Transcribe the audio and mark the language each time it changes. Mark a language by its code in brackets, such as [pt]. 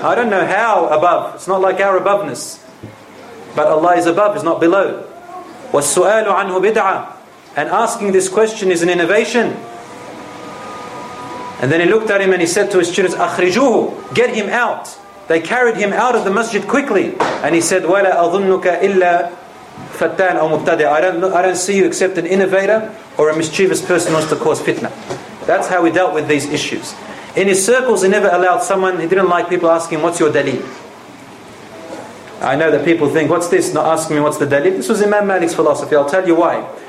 [en] I don't know how above. It's not like our aboveness. But Allah is above, is not below. [ar] وَالسُؤَالُ عَنْهُ بِدْعَةٌ. [en] And asking this question is an innovation. And then he looked at him and he said to his students, [ar] أَخْرِجُوهُ. [en] Get him out. They carried him out of the masjid quickly. And he said, [ar] وَلَا أَظُنُّكَ إِلَّا فَتَّانَ أَوْ مُبْتَدِعَ. [en] I don't see you except an innovator or a mischievous person who wants to cause fitna. That's how we dealt with these issues. In his circles, he never allowed someone, he didn't like people asking, what's your dalil? I know that people think, what's this? Not asking me, what's the dalil? This was Imam Malik's philosophy. I'll tell you why.